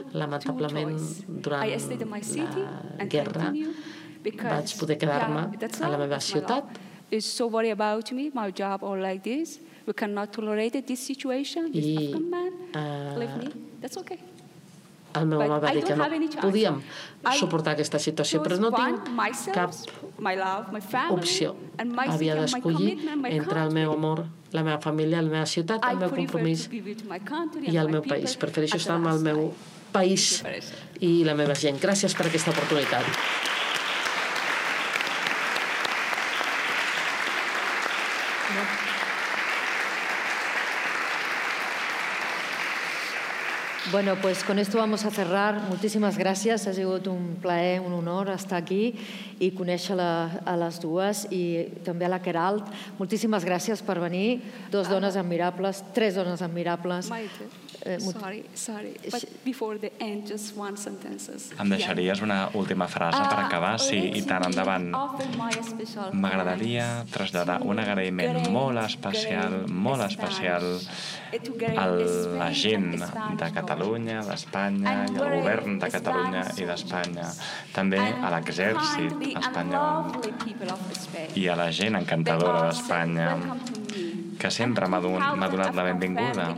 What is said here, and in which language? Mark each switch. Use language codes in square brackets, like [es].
[ca] Lamentablement, durant la guerra, vaig poder quedar-me a la meva ciutat. [en] Is so worried about me, my job, or like this. We cannot tolerate this situation. This African man, leave me. That's okay. [ca] El meu home va dir que no podíem suportar aquesta situació, però no tinc cap opció. Havia d'escollir entre el meu amor, la meva família, la meva ciutat, el meu compromís i el meu país. Prefereixo estar amb el meu país i la meva gent. Gràcies per aquesta oportunitat. [es] Bueno, pues con esto vamos a cerrar. [ca] Moltíssimes gràcies. Ha sigut un plaer, un honor estar aquí i conèixer-la a les dues i també a la Queralt. Moltíssimes gràcies per venir. Dos dones admirables, tres dones admirables. [en] Sorry, but before the end, just one sentences. [ca] Em deixaries una última frase per acabar? Sí, i tant endavant. M'agradaria traslladar un agraïment molt especial a la gent de Catalunya, d'Espanya, i al govern de Catalunya i d'Espanya, també a l'exèrcit espanyol i a la gent encantadora d'Espanya, que sempre m'ha donat la benvinguda.